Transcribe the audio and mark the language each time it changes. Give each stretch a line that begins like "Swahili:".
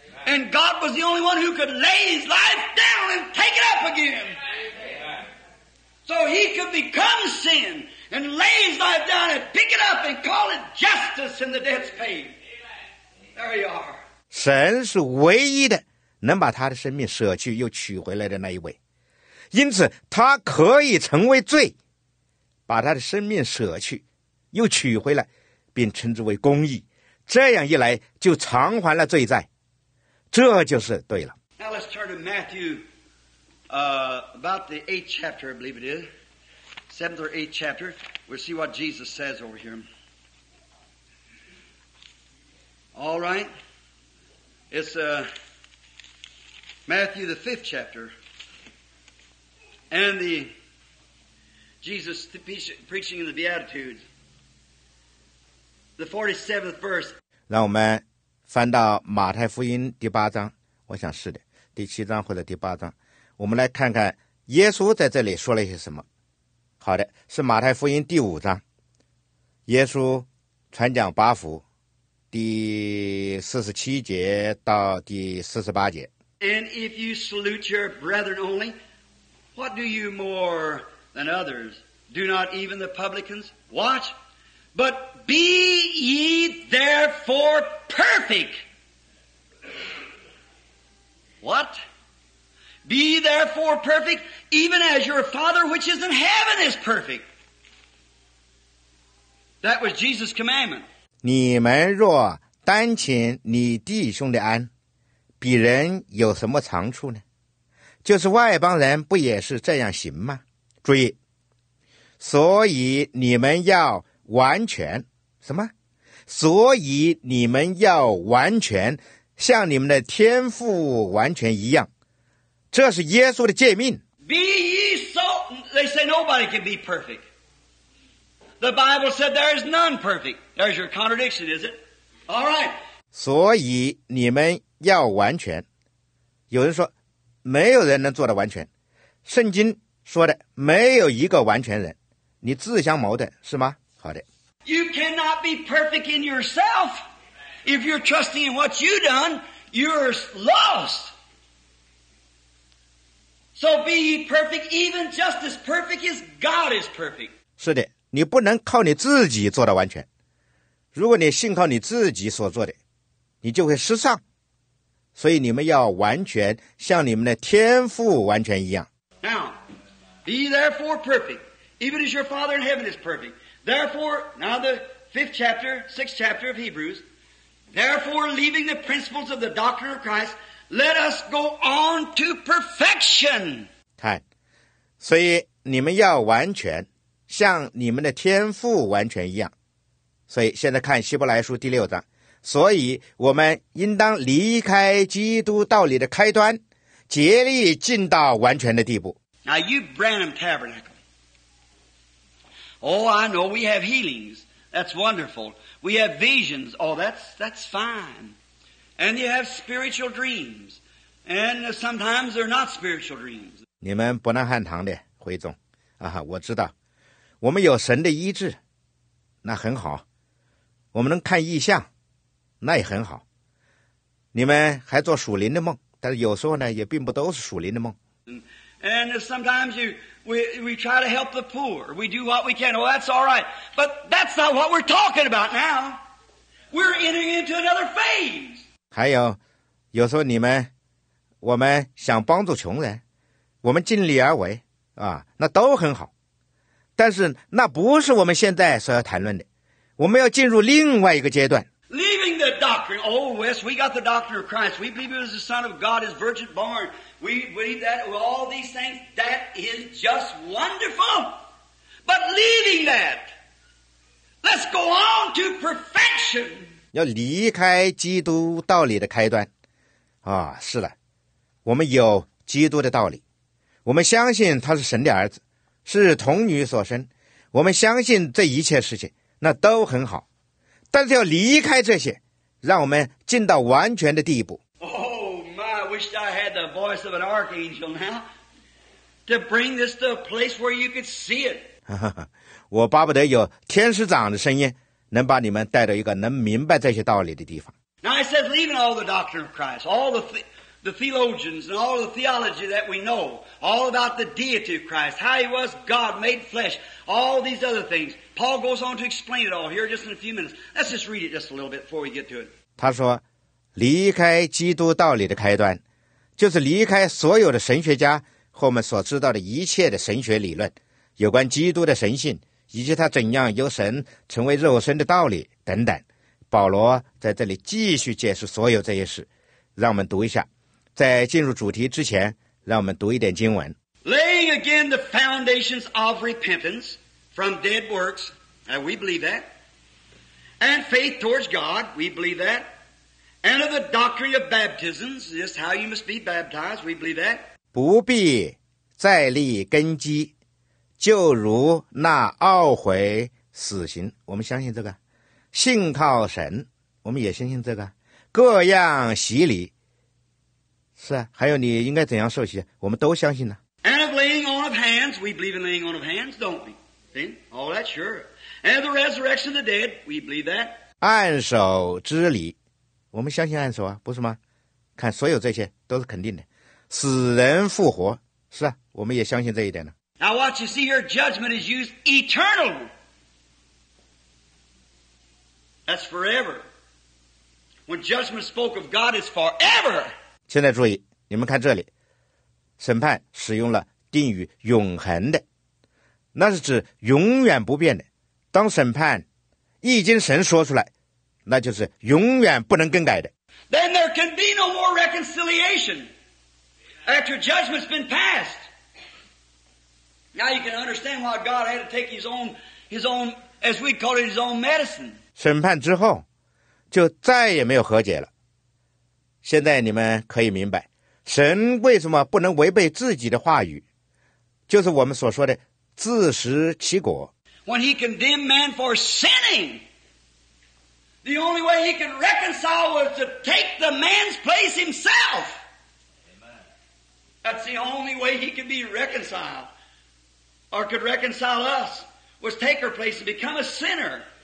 English: And God was the only one who could lay his life down and take it up again. So he could become sin and lay his life down and pick it up and call it justice and the debt's paid. There you are.
Chinese: 神是唯一的能把他的生命舍去又取回来的那一位，因此他可以成为罪，把他的生命舍去又取回来，并称之为公义。这样一来就偿还了罪债，这就是对了。
English: Now let's turn to Matthew about the 8th chapter, I believe it is. 7th or 8th chapter. We'll see what Jesus says over here. All right. It's Matthew, the 5th chapter. And the Jesus preaching in the Beatitudes. The 47th verse.
Chinese: 让我们翻到马太福音第八章。我想是的。第七章或者第八章。我们来看看耶稣在这里说了些什么。好的，是马太福音第五章。耶稣传讲八福第47节到第48节。
English: And if you salute your brethren only, what do you more than others? Do not even the publicans watch? But be ye therefore perfect. What? Be therefore perfect, even as your Father which is in heaven is perfect. That was Jesus' commandment.
Chinese: 你们若单请你弟兄的安，比人有什么长处呢？就是外邦人不也是这样行吗？注意，所以你们要完全，什么？所以你们要完全，像你们的天父完全一样。这是耶稣的诫命。
English: Be ye so, they say nobody can be perfect. The Bible said there is none perfect. There's your contradiction, is it? All right.
Chinese: 所以你们要完全。有人说，没有人能做得完全。圣经说的，没有一个完全人。你自相矛盾，是吗？好的。
English: You cannot be perfect in yourself. If you're trusting in what you've done, you're lost. So be ye perfect, even just as perfect as God is perfect.
Chinese: 是的，你不能靠你自己做得完全。如果你信靠你自己所做的，你就会失丧。所以你们要完全，像你们的天父完全一样。
English: Now, be therefore perfect, even as your Father in heaven is perfect. Therefore, now the 5th chapter, 6th chapter of Hebrews, therefore leaving the principles of the doctrine of Christ,Let us go on to perfection.
Chinese: 看，所以你们要完全，像你们的天父完全一样。所以现在看希伯来书第六章。所以我们应当离开基督道理的开端，竭力进到完全的地步。
English: Now you Branham Tabernacle. Oh, I know we have healings. That's wonderful. We have visions. Oh, that's fine. And you have spiritual dreams. And sometimes they're not spiritual dreams.
Chinese: 你们伯南翰堂的会众啊，我知道。我们有神的医治，那很好。我们能看异象，那也很好。你们还做属灵的梦，但是有时候呢，也并不都是属灵的梦。
English: And sometimes we try to help the poor. We do what we can. Oh, that's all right. But that's not what we're talking about now. We're entering into another phase.
Chinese: 还有，有时候你们，我们想帮助穷人，我们尽力而为，啊，那都很好。但是那不是我们现在所要谈论的，我们要进入另外一个阶段。
English: Leaving the doctrine, oh yes, we got the doctrine of Christ. We believe he was the Son of God, his virgin born. We believe that with all these things, that is just wonderful. But leaving that, let's go on to perfection.
Chinese: 要离开基督道理的开端啊，是了，我们有基督的道理，我们相信他是神的儿子，是童女所生，我们相信这一切事情，那都很好，但是要离开这些，让我们进到完全的地步。
English: Oh my, I wish I had the voice of an archangel now to bring this to a place where you could see it.
Chinese: 我巴不得有天使长的声音能把你们带到一个能明白这些道理的地方。
English: Now I said, leaving all the doctrine of Christ, all the theologians and all the theology that we know, all about the deity of Christ, how he was God made flesh, all these other things. Paul goes on to explain it all here just in a few minutes. Let's just read it just a little bit before we get to it.
Chinese: 他说，离开基督道理的开端，就是离开所有的神学家和我们所知道的一切的神学理论，有关基督的神性。以及他怎样由神成为肉身的道理等等，保罗在这里继续解释所有这些事。让我们读一下，在进入主题之前，让我们读一点经文。
English: Laying again the foundations of repentance from dead works, and we believe that. And faith towards God, we believe that. And of the doctrine of baptisms, just how you must be baptized, we believe that.
Chinese: 不必再立根基，就如那懊悔死刑，我们相信这个。信靠神，我们也相信这个。各样洗礼，是啊，还有你应该怎样受洗，我们都相信呢。
English: And of laying on of hands, we believe in laying on of hands, don't we? See? All that, sure. And of the resurrection of the dead, we believe that.
Chinese: 按手之礼，我们相信按手啊，不是吗？看，所有这些都是肯定的。死人复活，是啊，我们也相信这一点呢。
English: Now watch, you see, your judgment is used eternally. That's forever. When judgment spoke of God, it's forever.
Chinese: 现在注意，你们看这里。审判使用了定语永恒的，那是指永远不变的。当审判一经神说出来，那就是永远不能更改的。
English: Then there can be no more reconciliation after judgment's been passed. Now you can understand why God had to take his own, as we call it, his own medicine.
Chinese: 审判之后就再也没有和解了。现在你们可以明白神为什么不能违背自己的话语，就是我们所说的自食其果。
English: When he condemned man for sinning, the only way he could reconcile was to take the man's place himself. That's the only way he could be reconciled, or could reconcile us, was take our place and become a sinner.